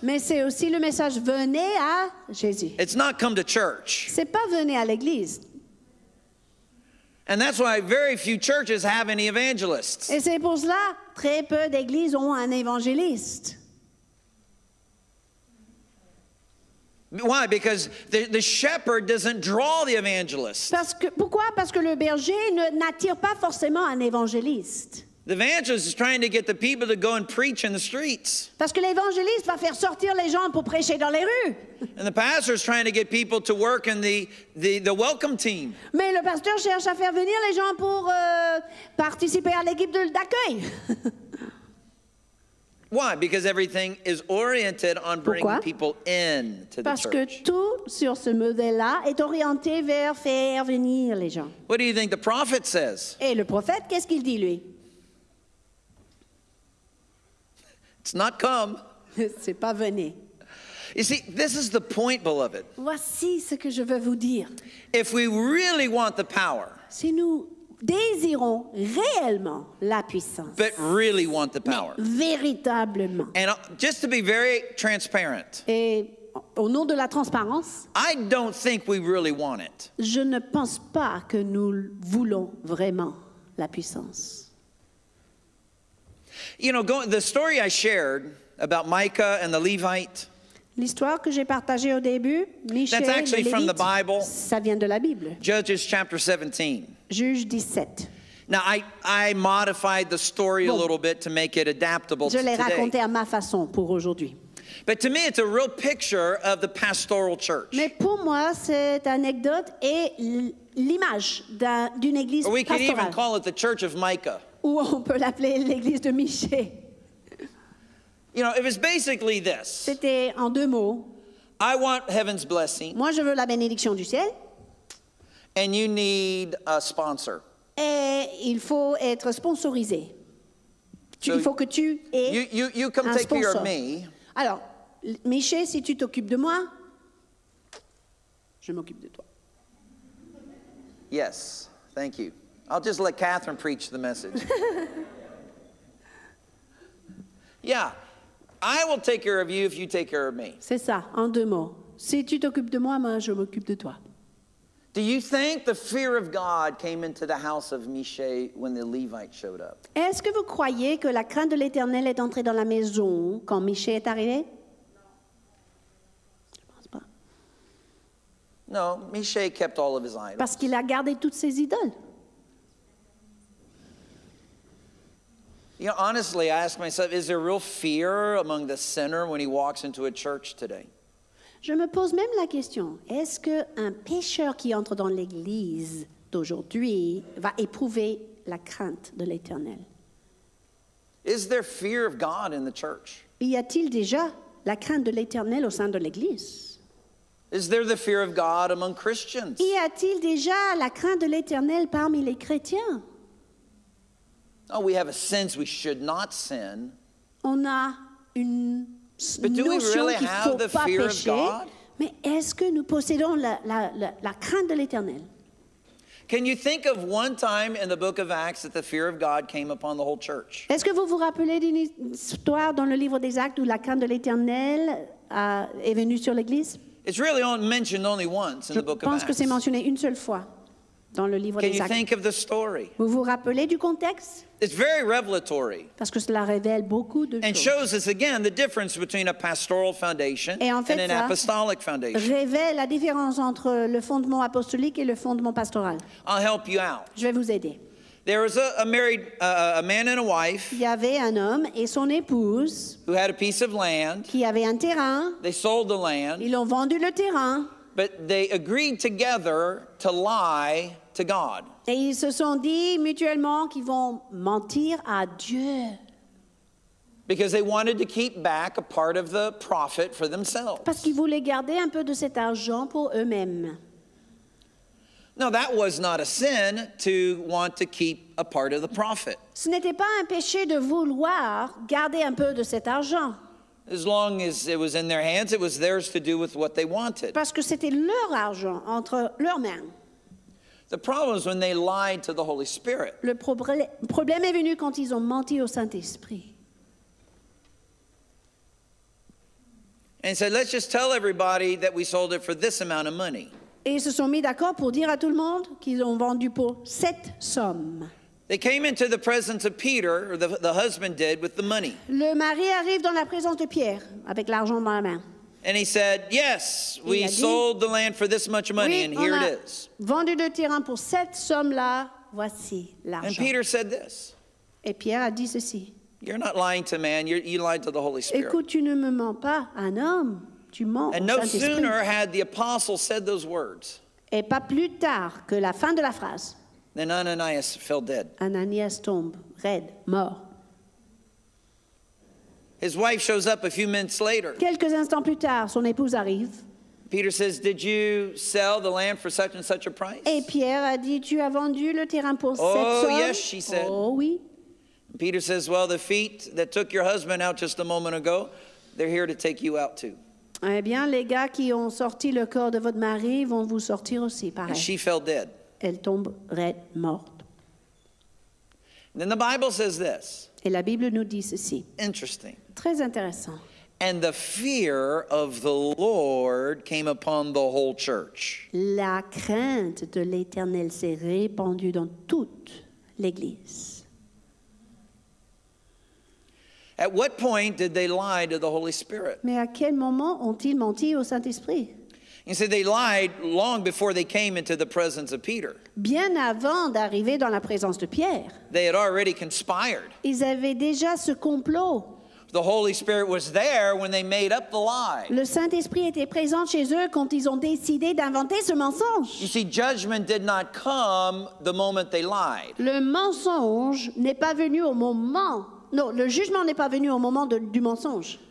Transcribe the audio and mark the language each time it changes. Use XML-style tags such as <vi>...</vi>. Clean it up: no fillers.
<fr>Mais c'est aussi le message venez à Jésus.</fr> <en>It's not come to church.</en> <fr>C'est pas venez à l'église.</fr> <en>And that's why very few churches have any evangelists.</en> <fr>Et c'est pour cela très peu d'églises ont un évangéliste.</fr> <en>Why? Because the shepherd doesn't draw the evangelist.</en> <fr>Parce que, pourquoi? Parce que le berger n'attire pas forcément un évangéliste.</fr> <en>The evangelist is trying to get the people to go and preach in the streets.</en> <fr>Parce que l'évangéliste va faire sortir les gens pour prêcher dans les rues.</fr> <en>And the pastor is trying to get people to work in the welcome team.</en> <fr>Mais le pasteur cherche à faire venir les gens pour participer à l'équipe d'accueil.</fr> <en>Why? Because everything is oriented on bringing people in to the church.</en> <fr>Parce que tout sur ce modèle-là est orienté vers faire venir les gens.</fr> <en>What do you think the prophet says?</en> <fr>Et le prophète, qu'est-ce qu'il dit lui?</fr> <en>It's not come.</en> <fr>C'est pas venez.</fr> <en>You see, this is the point, beloved.</en> <fr>Voici ce que je veux vous dire.</fr> <en>If we really want the power.</en> <fr>Si nous désirons réellement la puissance.</fr> <en>But really want the power.</en> <fr>Mais véritablement.</fr> <en>And just to be very transparent.</en> <fr>Et au nom de la transparence.</fr> <en>I don't think we really want it.</en> <fr>Je ne pense pas que nous voulons vraiment la puissance.</fr> <en>You know, the story I shared about Micah and the Levite.</en> <fr>L'histoire que j'ai partagée au début, Michée,</fr> <en>that's actually</en> <fr>Lévite,</fr> <en>from the Bible.</en> <fr>Ça vient de la Bible.</fr> <en>Judges chapter 17.</en> <fr>Juge 17.</fr> <en>Now I modified the story a little bit to make it adaptable to today.</en> <fr>Je l'ai raconté à ma façon pour aujourd'hui.</fr> <en>But to me it's a real picture of the pastoral church.</en> <fr>Mais pour moi cette anecdote est l'image d'une église pastorale.</fr> <en>Or we could even call it the church of Micah.</en> <fr>Ou on peut l'appeler l'église de Michée.</fr> <en>You know, it was basically this.</en> <fr>C'était en deux mots.</fr> <en>I want heaven's blessing.</en> <fr>Moi je veux la bénédiction du ciel.</fr> <en>And you need a sponsor.</en> <fr>Et il faut être sponsorisé. So il faut que tu aies</fr> <en>you come</en> <fr>un</fr> <en>take</en> <fr>sponsor.</fr> <en>Care of me.</en> <fr>Alors, Michée, si tu t'occupes de moi, je m'occupe de toi.</fr> <en>Yes, thank you. I'll just let Kathryn preach the message. Yeah, I will take care of you if you take care of me.</en> <fr>C'est ça, en deux mots. Si tu t'occupes de moi, moi, je m'occupe de toi.</fr> <en>Do you think the fear of God came into the house of Michée when the Levite showed up?</en> <fr>Est-ce que vous croyez que la crainte de l'Éternel est entrée dans la maison quand Michée est arrivé? Non. Je pense pas.</fr> <en>No, Michée kept all of his idols.</en> <fr>Parce qu'il a gardé toutes ses idoles.</fr> <en>You know, honestly, I ask myself, is there real fear among the sinner when he walks into a church today?</en> <fr>Je me pose même la question, est-ce qu'un pécheur qui entre dans l'Église d'aujourd'hui va éprouver la crainte de l'Éternel?</fr> <en>Is there fear of God in the church?</en> <fr>Y a-t-il déjà la crainte de l'Éternel au sein de l'Église?</fr> <en>Is there the fear of God among Christians?</en> <fr>Y a-t-il déjà la crainte de l'Éternel parmi les chrétiens?</fr> <en>Oh, we have a sense we should not sin.</en> <fr>On a une...</fr> <en>But do we really have the fear of God?</en> <fr>Mais est-ce que nous possédons la crainte de l'Éternel?</fr> <en>Can you think of one time in the book of Acts that the fear of God came upon the whole church?</en> <fr>Est-ce que vous vous rappelez d'une histoire dans le livre des Actes où la crainte de l'Éternel est venue sur l'église?</fr> <en>It's really mentioned only once in the book of Acts.</en> <fr>Je pense que c'est mentionné une seule fois dans le livre des Actes.</fr> <en>Can you think of the story?</en> <fr>Vous vous rappelez du contexte?</fr> <en>It's very revelatory.</en> <fr>Parce que cela révèle beaucoup de choses.</fr> <en>And shows us again the difference between a pastoral foundation</en> <fr>et en fait,</fr> <en>and an apostolic foundation.</en> <fr>Révèle la différence entre le fondement apostolique et le fondement pastoral.</fr> <en>I'll help you out.</en> <fr>Je vais vous aider.</fr> <en>There was a man and a wife.</en> <fr>Il y avait un homme et son épouse.</fr> <en>Who had a piece of land.</en> <fr>Qui avait un terrain.</fr> <en>They sold the land.</en> <fr>Ils ont vendu le terrain.</fr> <en>But they agreed together to lie to God.</en> <fr>Et ils se sont dit mutuellement qu'ils vont mentir à Dieu.</fr> <en>Because they wanted to keep back a part of the profit for themselves.</en> <fr>Parce qu'ils voulaient garder un peu de cet argent pour eux-mêmes.</fr> <en>Now that was not a sin to want to keep a part of the profit.</en> <fr>Ce n'était pas un péché de vouloir garder un peu de cet argent.</fr> <en>As long as it was in their hands, it was theirs to do with what they wanted.</en> <fr>Parce que c'était leur argent entre leurs mains.</fr> <en>The problem is when they lied to the Holy Spirit.</en> <fr>Le problème est venu quand ils ont menti au Saint-Esprit.</fr> <en>And said, let's just tell everybody that we sold it for this amount of money.</en> <fr>Et ils se sont mis d'accord pour dire à tout le monde qu'ils ont vendu pour cette somme.</fr> <en>They came into the presence of Peter, or the husband did, with the money.</en> <fr>Le mari arrive dans la présence de Pierre avec l'argent dans la main.</fr> <en>And he said, yes, we sold the land for this much money,</en> <fr>oui,</fr> <en>and here it is.</en> <fr>Vendu le terrain pour cette somme-là, voici l'argent.</fr> <en>And Peter said this.</en> <fr>Et Pierre a dit ceci.</fr> <en>You're not lying to man, you lied to the Holy Spirit.</en> <fr>Écoute, tu ne me mens pas, un homme, tu mens.</fr> <en>And no sooner had the apostle said those words.</en> <fr>Et pas plus tard que la fin de la phrase.</fr> <en>Then Ananias fell dead.</en> <fr>Ananias tombe, raide, mort.</fr> <en>His wife shows up a few minutes later.</en> <fr>Quelques instants plus tard, son épouse arrive.</fr> <en>Peter says, "Did you sell the land for such and such a price?"</en> <fr>Et Pierre a dit, "Tu as vendu le terrain pour cette somme?"</fr> <en>Oh, yes, she said.</en> <fr>Oh, oui.</fr> <en>Peter says, "Well, the feet that took your husband out just a moment ago, they're here to take you out too."</en> <fr>Eh bien, les gars qui ont sorti le corps de votre mari vont vous sortir aussi, pareil.</fr> <en>And she fell dead.</en> <fr>Elle tombe raide, morte.</fr> <en>And then the Bible says this.</en> <fr>Et la Bible nous dit ceci.</fr> <en>Interesting.</en> <fr>Très intéressant.</fr> <en>And the fear of the Lord came upon the whole church.</en> <fr>La crainte de l'Éternel s'est répandue dans toute l'église.</fr> <en>At what point did they lie to the Holy Spirit?</en> <fr>Mais à quel moment ont-ils menti au Saint-Esprit?</fr> <en>You see, they lied long before they came into the presence of Peter.</en> <fr>Bien avant d'arriver dans la présence de Pierre.</fr> <en>They had already conspired.</en> <fr>Ils avaient déjà ce complot.</fr> <en>The Holy Spirit was there when they made up the lie.</en> <fr>Le Saint-Esprit était présent chez eux quand ils ont décidé d'inventer ce mensonge.</fr> <en>You see, judgment did not come the moment they lied.</en> <fr>Le mensonge n'est pas venu au moment. Non, le jugement n'est pas venu au moment du mensonge.</fr>